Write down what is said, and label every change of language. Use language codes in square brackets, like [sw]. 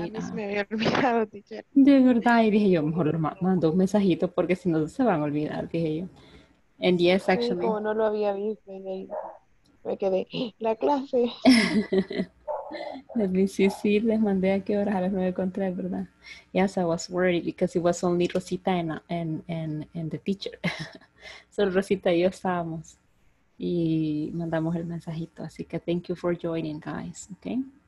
[es] A mí se me había olvidado, teacher. De verdad, y dije yo, mejor lo mando un mensajito porque si no se van a olvidar, dije yo. [en] And yes, actually. [es] Como no lo había visto, me quedé, la clase. [en] Let me see, [es] sí, les mandé a qué hora, a las 9:03, ¿verdad? [en] Yes, I was worried because it was only Rosita and the teacher. [es] Solo Rosita y yo estábamos y mandamos el mensajito. Así que [en] thank you for joining, guys, okay?